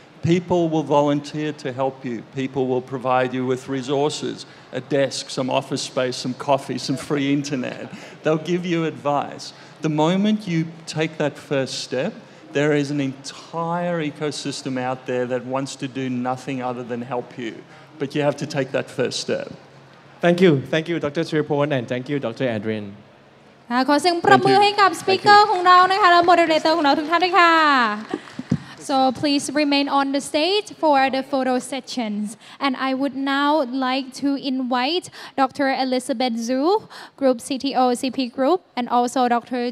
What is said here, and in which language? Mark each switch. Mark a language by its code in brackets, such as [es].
[en] People will volunteer to help you. People will provide you with resources, a desk, some office space, some coffee, some free internet. They'll give you advice. The moment you take that first step, there is an entire ecosystem out there that wants to do nothing other than help you. But you have to take that first step. Thank you. Thank you, Dr. Sriporn, and thank you, Dr. Adrian. [th] ขอเสียงปรบมือให้กับสปีกเกอร์ของเรานะคะและโมเดอเรเตอร์ของเราทุกท่านด้วยค่ะ [en] So please remain on the stage for the photo sessions. And I would now like to invite Dr. Elizabeth Zhu, Group CTO CP Group, and also Dr.